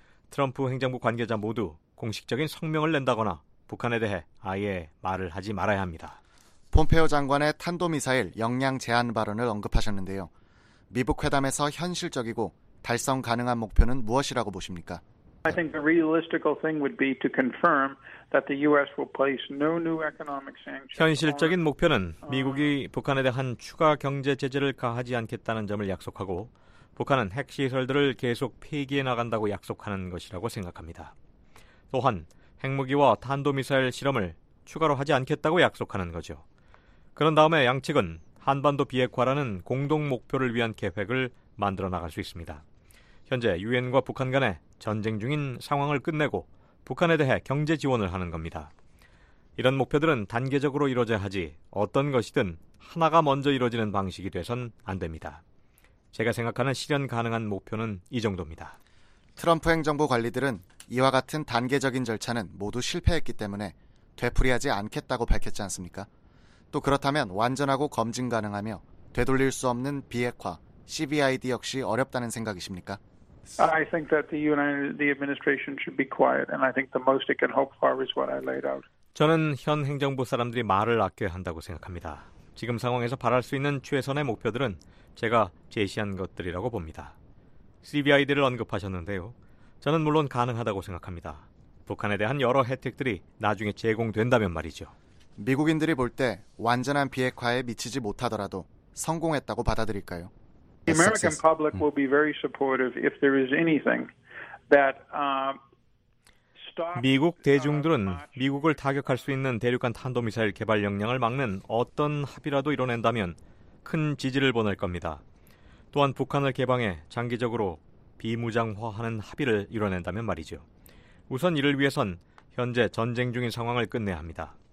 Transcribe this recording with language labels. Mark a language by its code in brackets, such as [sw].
[ko] 트럼프 행정부 관계자 모두 공식적인 성명을 낸다거나 북한에 대해 아예 말을 하지 말아야 합니다. 폼페오 장관의 탄도미사일 역량 제한 발언을 언급하셨는데요. 미북 회담에서 현실적이고 달성 가능한 목표는 무엇이라고 보십니까? [en] I think the realistic thing would be to confirm that the US will place no new economic sanctions. [ko] 현실적인 목표는 미국이 북한에 대한 추가 경제 제재를 가하지 않겠다는 점을 약속하고 북한은 핵 시설들을 계속 폐기해 나간다고 약속하는 것이라고 생각합니다. 또한 핵무기와 탄도미사일 실험을 추가로 하지 않겠다고 약속하는 거죠. 그런 다음에 양측은 한반도 비핵화라는 공동 목표를 위한 계획을 만들어 나갈 수 있습니다. 현재 유엔과 북한 간의 전쟁 중인 상황을 끝내고 북한에 대해 경제 지원을 하는 겁니다. 이런 목표들은 단계적으로 이루어져야 하지 어떤 것이든 하나가 먼저 이루어지는 방식이 돼선 안 됩니다. 제가 생각하는 실현 가능한 목표는 이 정도입니다. 트럼프 행정부 관리들은 이와 같은 단계적인 절차는 모두 실패했기 때문에 되풀이하지 않겠다고 밝혔지 않습니까? 또 그렇다면 완전하고 검증 가능하며 되돌릴 수 없는 비핵화, CBID 역시 어렵다는 생각이십니까? [en] I think that the administration should be quiet, and I think the most it can hope for is what I laid out. [ko] 저는 현 행정부 사람들이 말을 아껴야 한다고 생각합니다. 지금 상황에서 바랄 수 있는 최선의 목표들은 제가 제시한 것들이라고 봅니다. CBID를 언급하셨는데요. 저는 물론 가능하다고 생각합니다. 북한에 대한 여러 혜택들이 나중에 제공된다면 말이죠. 미국인들이 볼 때 완전한 비핵화에 미치지 못하더라도 성공했다고 받아들일까요? [en] The American public will be very supportive if there is anything that stops. [ko] 미국 대중들은 미국을 타격할 수 있는 대륙간 탄도미사일 개발 역량을 막는 어떤 합의라도 이뤄낸다면 큰 지지를 보낼 겁니다. 또한 북한을 개방해 장기적으로 비무장화하는 합의를 이뤄낸다면 말이죠. 우선 이를 위해선 현재 전쟁 중인 상황을 끝내야 합니다.